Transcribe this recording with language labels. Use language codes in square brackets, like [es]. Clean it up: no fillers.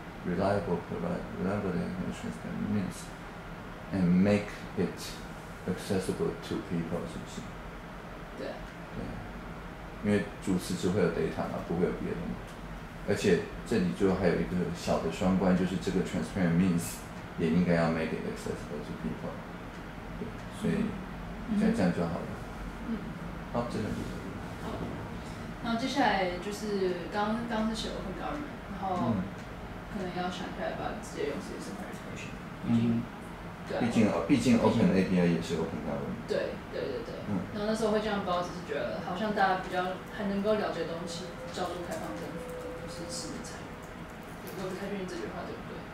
[en] reliable data and transparent means and make it accessible to people， [zh] 是不是？对。因为主词只会有 data 嘛，不会有别的嘛。而且这里就还有一个小的双关，就是这个 transparent means 也应该要 [en] make it accessible to people。 [zh] 对，所以像这样就好了。嗯。好，这边。好。然后接下来就是刚是写 open government， 然后可能要想一下要不要直接用 citizen participation。嗯。对。毕竟 open API 也是 open government。对。对，然后那时候会这样包，只是觉得好像大家比较还能够了解东西，叫做开放政府，不是市民参与。我不太确定这句话对不对。